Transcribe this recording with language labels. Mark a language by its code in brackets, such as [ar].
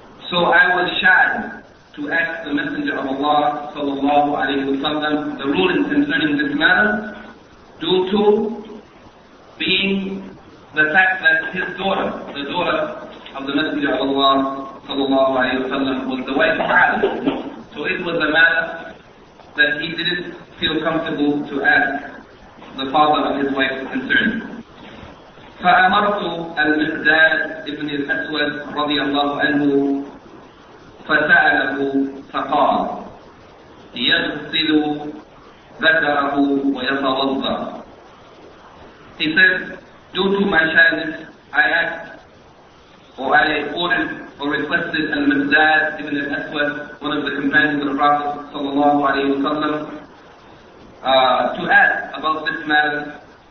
[en] So I was shy to ask the Messenger of Allah sallallahu alayhi wa sallam the ruling concerning this matter, due to being the fact that his daughter, the daughter of the Messenger of Allah sallallahu alayhi wa sallam, was the wife of Ali. So it was a matter that he didn't feel comfortable to ask the father of his wife concerned. [ar] فأمرت المقداد ابن الأسود رضي الله عنه فسأله فقال يغسل ذكره ويتوضأ. [en] He said, due to my shyness, I asked, or I ordered or requested al-Mizdad ibn al-Aswad, one of the companions of the Prophet sallallahu alayhi wa sallam, to ask about this matter.